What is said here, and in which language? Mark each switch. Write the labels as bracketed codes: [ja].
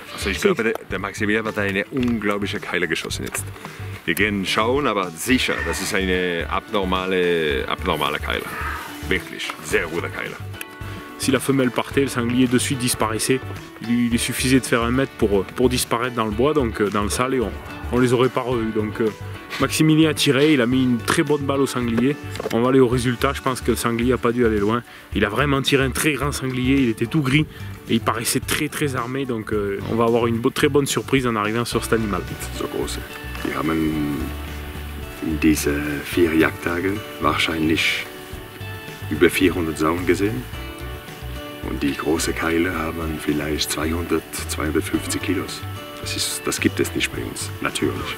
[de] Also ich glaube, der Maximilien hat eine unglaubliche Keiler geschossen jetzt. Wir gehen schauen, aber sicher, das ist eine abnormale Keiler. Wirklich, sehr guter Keiler. [fr] Si la femelle partait, le sanglier de suite disparaissait. Il lui suffisait de faire un mètre pour disparaître dans le bois, donc dans le sale, et on les aurait pas revus. Donc Maximilien a tiré, il a mis une très bonne balle au sanglier. On va aller au résultat, je pense que le sanglier n'a pas dû aller loin. Il a vraiment tiré un très grand sanglier, il était tout gris, et il paraissait très très armé, donc on va avoir une très bonne surprise en arrivant sur cet animal. [de] So groß. Wir haben in diesen 4 Jagdtagen wahrscheinlich über 400 Sauen gesehen. Und die großen Keile haben vielleicht 200, 250 Kilos. Das gibt es nicht bei uns, natürlich.